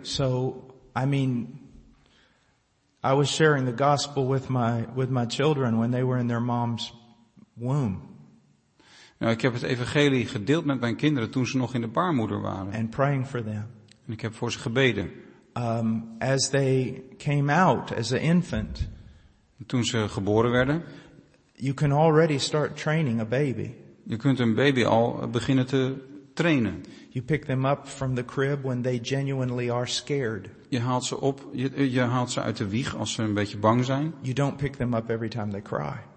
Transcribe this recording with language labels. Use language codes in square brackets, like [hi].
[en] So, I mean, I was sharing the gospel with my children when they were in their mom's womb. [nl] Nou, ik heb het evangelie gedeeld met mijn kinderen toen ze nog in de baarmoeder waren. [en] And praying for them. [nl] En ik heb voor ze gebeden. [en] As they came out as an infant. [nl] En toen ze geboren werden. [en] You can already start training a baby. [nl] Je kunt een baby al beginnen te trainen. [en] You pick them up from the crib when they genuinely are scared. [nl] Je haalt ze uit de wieg als ze een beetje bang zijn. [en] You don't pick them up every time they cry.